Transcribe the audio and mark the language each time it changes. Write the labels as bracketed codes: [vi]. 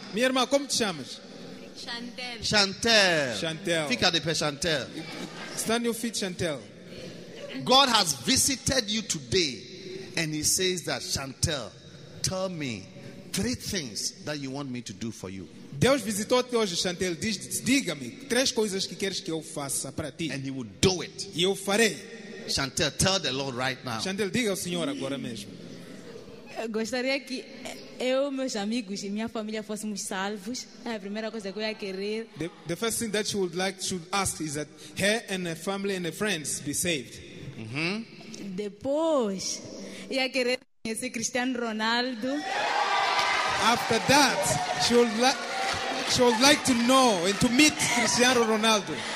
[pt] Minha irmã, como te chamas? Chantel. Chantel. Chantel. Fica de pé, Chantel. [en] Stand your feet, Chantel. God has visited you today, and he says that, Chantel, tell me three things that you want me to do for you. [pt] Deus visitou-te hoje, Chantel. Diga-me três coisas que queres que eu faça para ti. [en] And he will do it. [pt] E eu farei. [en] Chantel, tell the Lord right now. [pt] Chantel, diga ao Senhor agora mesmo. Eu gostaria que eu, meus amigos e minha família fôssemos salvos. É a primeira coisa que eu ia querer. [en] The first thing that she would like to ask is that her and her family and her friends be saved. Mm-hmm. [pt] Depois, ia querer conhecer Cristiano Ronaldo. [en] After that, she would like to know and to meet Cristiano Ronaldo.